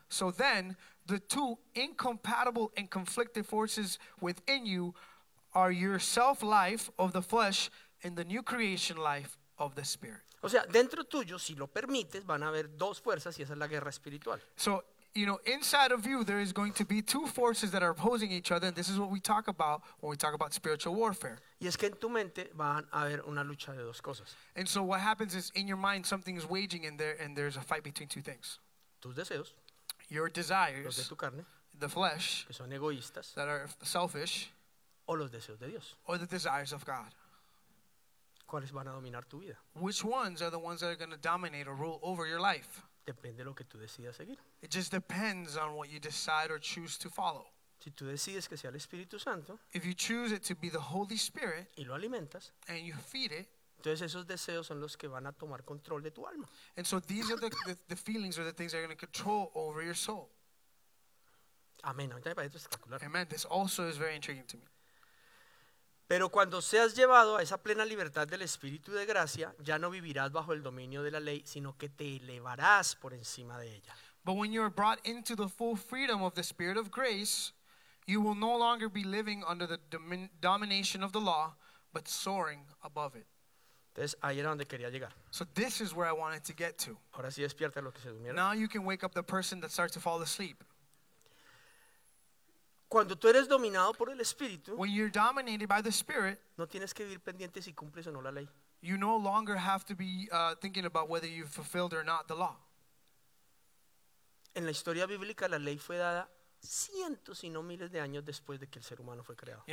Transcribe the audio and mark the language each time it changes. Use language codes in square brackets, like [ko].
[en] So then, the two incompatible and conflicted forces within you are your self-life of the flesh and the new creation life of the Spirit. [es] O sea, dentro tuyo, si lo permites, van a haber dos fuerzas y esa es la guerra espiritual. [en] So, you know, inside of you, there is going to be two forces that are opposing each other, and this is what we talk about when we talk about spiritual warfare. [es] Y es que en tu mente van a haber una lucha de dos cosas. [en] And so what happens is, in your mind, something is waging in there, and there's a fight between two things. [es] Tus deseos. [en] Your desires. [es] Los de tu carne. [en] The flesh. [es] Que son egoístas. [en] That are selfish. [es] O los deseos de Dios. [en] Or the desires of God. [es] ¿Cuáles van a dominar tu vida? [en] Which ones are the ones that are going to dominate or rule over your life? [es] Depende de lo que tú decidas seguir. [en] It just depends on what you decide or choose to follow. [es] Si tú decides que sea el Espíritu Santo, [en] if you choose it to be the Holy Spirit, [es] y lo alimentas, [en] and you feed it, [es] entonces esos deseos son los que van a tomar control de tu alma. [en] And so these are the feelings or the things that are going to control over your soul. [es] Amén. Ahorita me parece espectacular. [en] Amen. This also is very intriguing to me. [es] Pero cuando seas llevado a esa plena libertad del Espíritu de gracia, ya no vivirás bajo el dominio de la ley, sino que te elevarás por encima de ella. [en] But when you are brought into the full freedom of the Spirit of grace, you will no longer be living under the domination of the law, but soaring above it. [es] Entonces, ahí era donde quería llegar. [en] So this is where I wanted to get to. [es] Ahora sí despierta lo que se durmieron. [en] Now you can wake up the person that starts to fall asleep. [es] Cuando tú eres dominado por el Espíritu, [en] when you're dominated by the Spirit, [es] no tienes que vivir pendiente si cumples o no la ley. [en] You no longer have to be thinking about whether you've fulfilled or not the law. [es] En la historia bíblica, la ley fue dada cientos, si no miles de años después de que el ser humano fue creado.